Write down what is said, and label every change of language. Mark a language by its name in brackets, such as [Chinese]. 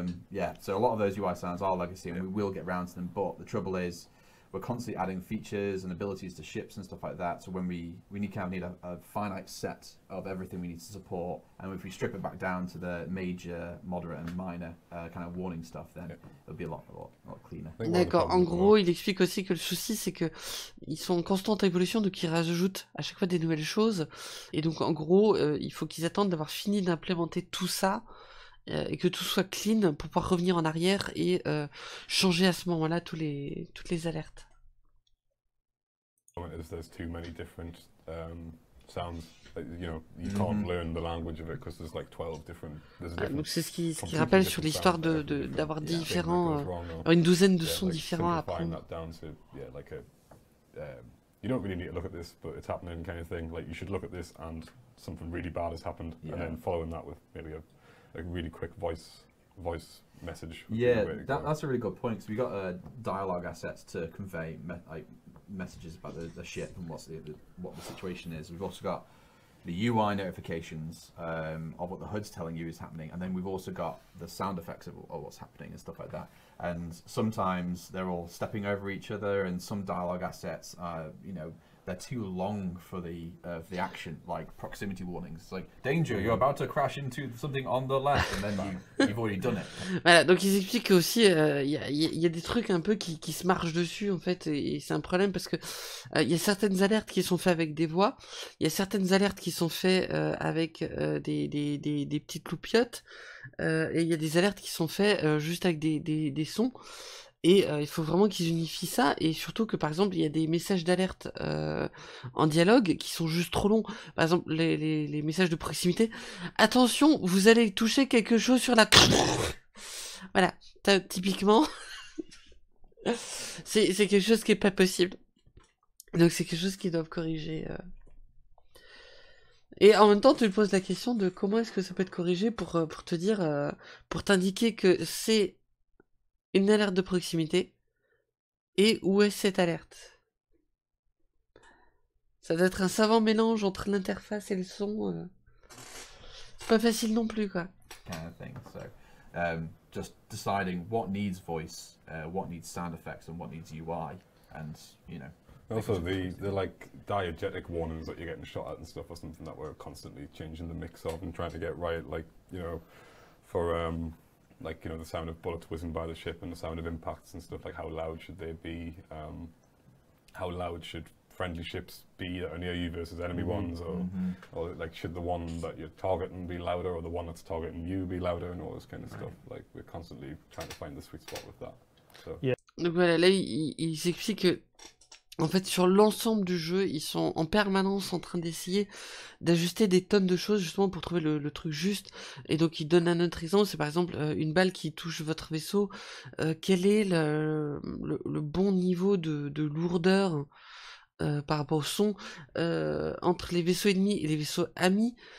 [English] Yeah, so a lot of those UI sounds are legacy, and we will get around to them, but the trouble is we're constantly adding features and abilities to ships and stuff like that, so when we need, kind of need a finite set of everything we need to support, and if we strip it back down to the major, moderate and minor kind of warning stuff, then it'll be a lot cleaner. [French] D'accord, en gros, il explique aussi que le souci, c'est que ils sont en constante évolution, donc ils rajoutent à chaque fois des nouvelles choses, et donc en gros, il faut qu'ils attendent d'avoir fini d'implémenter tout ça et que tout soit clean pour pouvoir revenir en arrière et changer à ce moment-là toutes les alertes. [English] There's too many different sounds. You know, you can't mm-hmm. learn the language of it because there's like 12 different. [French] Donc c'est ce qui rappelle sur l'histoire d'avoir yeah, différents, une douzaine de sons like différents à apprendre. [English] Yeah, like you don't really need to look at this, but it's happening kind of thing. Like you should look at this and something really bad has happened, yeah. And then following that with maybe a really quick voice message. Yeah, that's a really good point, because we got dialogue assets to convey messages about the ship and what the situation is. We've also got the UI notifications of what the HUD's telling you is happening, and then we've also got the sound effects of what's happening and stuff like that. And sometimes they're all stepping over each other, and some dialogue assets are, you know, they're too long for the action, like proximity warnings. It's like, danger, you're about to crash into something on the left, and then you've already done it. [French] Voilà, donc ils expliquent qu'aussi, il y a des trucs un peu qui se marchent dessus, en fait, et c'est un problème, parce que il y a certaines alertes qui sont faites avec des voix, il y a certaines alertes qui sont faites avec des petites loupiottes, et il y a des alertes qui sont faites juste avec des sons. Et il faut vraiment qu'ils unifient ça, et surtout que, par exemple, il y a des messages d'alerte en dialogue qui sont juste trop longs. Par exemple, les messages de proximité. Attention, vous allez toucher quelque chose sur la... Voilà, typiquement, c'est quelque chose qui n'est pas possible. Donc c'est quelque chose qu'ils doivent corriger. Et en même temps, tu te poses la question de comment est-ce que ça peut être corrigé pour te dire, pour t'indiquer que c'est... une alerte de proximité, et où est cette alerte? Ça doit être un savant mélange entre l'interface et le son. C'est pas facile non plus, quoi. [English] Kind of thing. So, just deciding what needs voice, what needs sound effects, and what needs UI, and you know. Also, the like diegetic warnings that you're getting shot at and stuff, or something that we're constantly changing the mix of and trying to get right, like, you know, for like, you know, the sound of bullets whizzing by the ship and the sound of impacts and stuff, like how loud should they be, how loud should friendly ships be that are near you versus enemy mm-hmm. ones, or mm-hmm. or like should the one that you're targeting be louder, or the one that's targeting you be louder, and all this kind of right. stuff. Like we're constantly trying to find the sweet spot with that. So yeah. [French] Donc voilà, là il s'explique que en fait sur l'ensemble du jeu ils sont en permanence en train d'essayer d'ajuster des tonnes de choses justement pour trouver le truc juste. Et donc il donne un autre exemple, c'est par exemple une balle qui touche votre vaisseau, quel est le bon niveau de lourdeur par rapport au son entre les vaisseaux ennemis et les vaisseaux amis.